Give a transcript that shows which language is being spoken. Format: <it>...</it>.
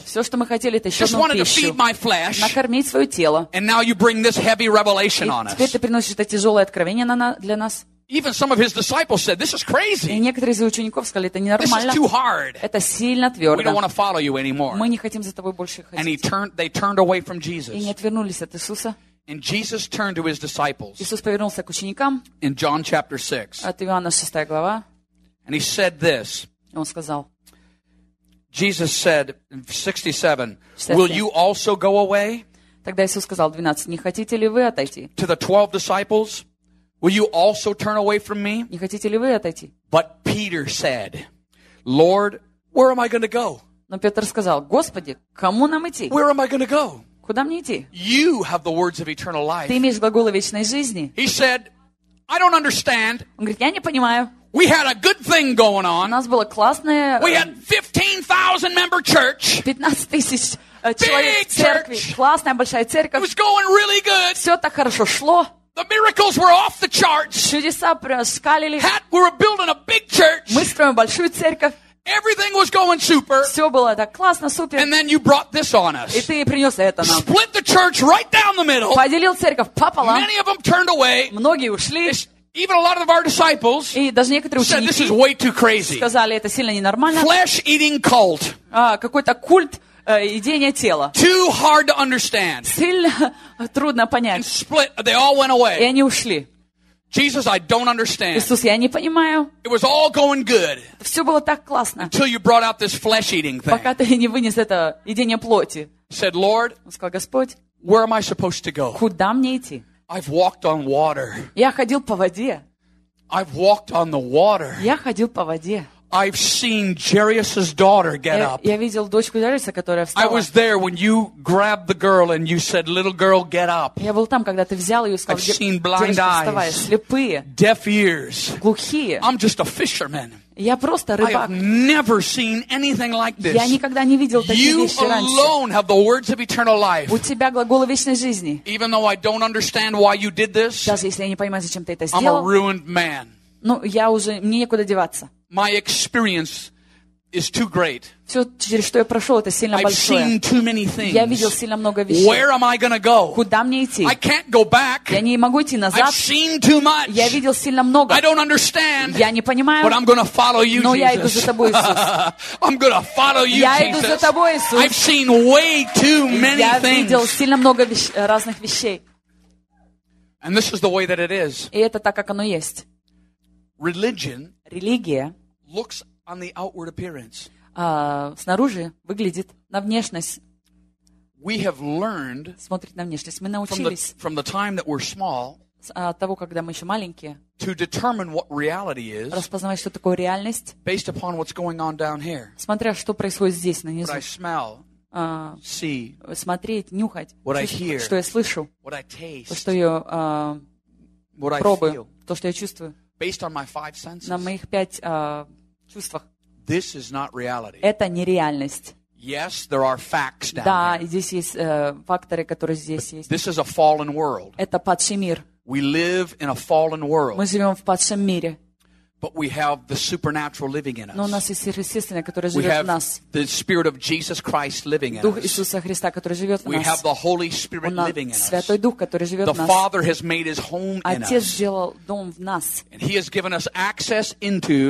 <ru>Все, что мы хотели, это еще</ru> <en>just wanted</en> <ru>пищу,</ru> <en>to feed my flesh.</en> <ru>Накормить свое тело.</ru> <en>And now you bring this heavy revelation</en> <ru>и</ru> <en>on</en> <ru>теперь</ru> <en>us.</en> <ru>Теперь ты приносишь это тяжелое откровение для нас.</ru> <en>Even some of his disciples said, "This is crazy."</en> <ru>И некоторые из его учеников сказали, это ненормально.</ru> <en>This is too hard.</en> <ru>Это сильно твердо.</ru> <en>We don't want to follow you anymore.</en> <ru>Мы не хотим за тобой больше ходить.</ru> <en>And they turned away from Jesus.</en> <ru>И они отвернулись от Иисуса.</ru> <en>And Jesus turned to his disciples.</en> <ru>Иисус повернулся к ученикам.</ru> <en>In John chapter 6.</en> <ru>От Иоанна 6 глава.</ru> <en>And he said this.</en> <ru>Он сказал.</ru> <en>Jesus said, 67. Will you also go away?</en> <ru>Тогда Иисус сказал 12. Не хотите ли вы отойти?</ru> <en>To the 12 disciples. Will you also turn away from me?</en> <ru>Не хотите ли вы отойти?</ru> <en>But Peter said, Lord, where am I going to go?</en> <ru>Но Петр сказал, Господи, кому нам идти?</ru> <en>Where am I going to go?</en> <ru>Куда мне идти?</ru> <en>You have the words of eternal life.</en> <ru>Ты имеешь глаголы вечной жизни.</ru> <en>He said, I don't understand.</en> <ru>Он говорит, я не понимаю.</ru> <en>We had a good thing going on.</en> <ru>У нас было классное.</ru> <en>We had 15,000 member church.</en> <ru>15,000 человек церкви. Классная большая церковь.</ru> <en>It was going really good.</en> <ru>Все так хорошо шло.</ru> <en>The miracles were off the charts.</en> <ru>Чудеса проскалили.</ru> <en>We were building a big church.</en> <ru>Мы строим большую церковь.</ru> <en>Everything was going super.</en> <ru>Все было так классно, супер.</ru> <en>And then you brought this on us.</en> <ru>И ты принес это нам.</ru> <en>Split the church right down the middle.</en> <ru>Поделил церковь пополам.</ru> <en>Many of them turned away.</en> <ru>Многие ушли.</ru> <en>Even a lot of our disciples said this is way too crazy.</en> <ru>Сказали, это сильно ненормально.</ru> <en>Flesh-eating cult.</en> <ru>Какой-то культ. Едение тела.</ru> <en>Too hard to understand.</en> <ru>Сильно трудно понять.</ru> <en>And split, they all went away.</en> <ru>И они ушли.</ru> <en>Jesus, I don't understand.</en> <ru>Иисус, я не понимаю.</ru> <en>It was all going good.</en> <ru>Все было так классно.</ru> <en>Until you brought out this flesh-eating thing.</en> <ru>Пока ты не вынес это едение плоти.</ru> <en>Said, Lord,</en> <ru>он сказал, Господь,</ru> <en>where am I supposed to go?</en> <ru>Куда мне идти?</ru> <en>I've walked on water.</en> <ru>Я ходил по воде.</ru> <en>I've walked on the water.</en> <ru>Я ходил по воде.</ru> <en>I've seen Jairus's daughter get up.</en> <ru>Я видел дочку Джариса, которая встала.</ru> <en>I was there when you grabbed the girl and you said, "Little girl, get up."</en> <ru>Я был там, когда ты взял ее и сказал, "Девочка, вставай."</ru> <en>I've seen blind eyes,</en> <ru>слепые,</ru> <en>deaf ears,</en> <ru>глухие.</ru> <en>I'm just a fisherman.</en> <ru>Я просто рыбак.</ru> <en>I have never seen anything like this.</en> <ru>Я никогда не видел такие вещи раньше.</ru> <en>You alone have the words of eternal life.</en> <ru>У тебя глаголы вечной жизни.</ru> <en>Even though I don't understand why you did this,</en> <ru>даже если я не понимаю, зачем ты это сделал,</ru> <en>I'm a ruined man.</en> <ru>Ну, я уже мне некуда деваться.</ru> <en>My experience is too great.</en> <ru>Все, через что я прошел, это сильно</ru> <en>I've</en> <ru>большое.</ru> <en>Seen too many things.</en> <ru>Я видел сильно много вещей.</ru> <en>Where am I gonna go?</en> <ru>Куда мне идти?</ru> <en>I can't go back.</en> <ru>Я не могу идти назад.</ru> <en>I've seen too much.</en> <ru>Я видел сильно много.</ru> <en>I don't understand,</en> <ru>я не понимаю.</ru> <en>But I'm gonna follow you,</en> <ru>но</ru> <en>Jesus.</en> <ru>Я иду за тобой, Иисус.</ru> <en>I'm gonna follow you,</en> <ru>я</ru> <en>Jesus.</en> <ru>Иду за тобой, Иисус.</ru> <en>I've seen way too many</en> <ru>я</ru> <en>things.</en> <ru>Видел сильно много разных вещей.</ru> <en>And this is the way that it is.</en> <ru>И это так, как оно есть.</ru> <en>Religion</en> <ru>Религия</ru> <en>looks on the outward appearance.</en> <ru>Снаружи выглядит на внешность.</ru> <en>We have learned</en> <ru>смотреть на внешность. Мы научились</ru> <en>from the time that we're small,</en> <ru>того, когда мы еще маленькие,</ru> <en>to determine what reality is,</en> <ru>распознавать, что такое реальность,</ru> <en>based upon what's going on down here,</en> <ru>смотря, что происходит здесь, нанизу.</ru> <en>What I smell, see,</en> <ru>смотреть, нюхать,</ru> <en>what I hear,</en> <ru>что я слышу,</ru> <en>what I taste,</en> <ru>то, что я</ru> <en>what</en> <ru>пробую,</ru> <en>I feel,</en> <ru>то, что я чувствую.</ru> <en>Based on my five senses.</en> <ru>На моих пять чувствах.</ru> <en>This is not reality.</en> <ru>Это не реальность.</ru> <en>Yes, there are facts down</en> <ru>да,</ru> <en>here.</en> <ru>Здесь есть факторы, которые здесь</ru> <en>But</en> <ru>есть.</ru> <en>This is a fallen world.</en> <ru>Это падший мир.</ru> <en>We live in a fallen world.</en> <ru>Мы живем в падшем мире.</ru> <en>But we have the supernatural living in us.</en> <ru>Но у нас есть сверхъестественное, которое живет</ru> <en>we have</en> <ru>в нас.</ru> <en>The spirit of Jesus Christ living in</en> <ru>Дух Иисуса Христа, который живет</ru> <en>we</en> <ru>в нас.</ru> <en>Have the Holy Spirit</en> <ru>у нас</ru> <en>living in</en> <ru>Святой</ru> <en>us.</en> <ru>Дух, который живет</ru> <en>the</en> <ru>в нас.</ru> <en>Father has made his home</en> <ru>Отец</ru> <en>in</en> <ru>сделал</ru> <en>us.</en> <ru>Дом в нас.</ru> <en>And he has given us access into</en>